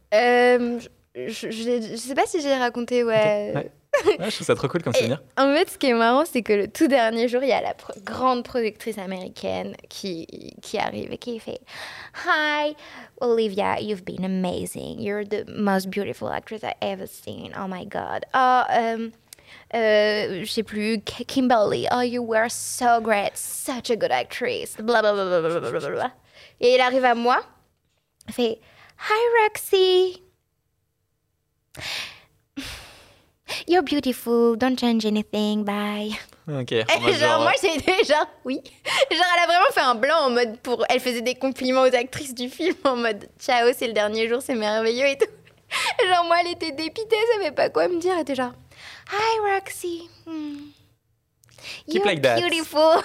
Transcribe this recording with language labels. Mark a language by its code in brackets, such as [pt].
[fr] Je sais pas si j'ai raconté, ouais. Okay. Ouais, je trouve ça trop cool comme souvenir. En fait, ce qui est marrant, c'est que le tout dernier jour, il y a la grande productrice américaine qui arrive et qui fait « [en] Hi, Olivia, you've been amazing. You're the most beautiful actress I've ever seen. Oh my God. [fr] Oh, je sais plus, [en] Kimberly, oh, you were so great, such a good actress, blablabla. [fr] Et il arrive à moi, il fait, [en] hi Roxy, you're beautiful, don't change anything, bye. [fr] Ok. Moi j'étais genre, oui. Genre, elle a vraiment fait un blanc en mode, elle faisait des compliments aux actrices du film en mode, ciao, c'est le dernier jour, c'est merveilleux et tout. Genre, moi elle était dépitée, elle savait pas quoi me dire, elle était genre, hi Roxy. [en] Keep you're like beautiful.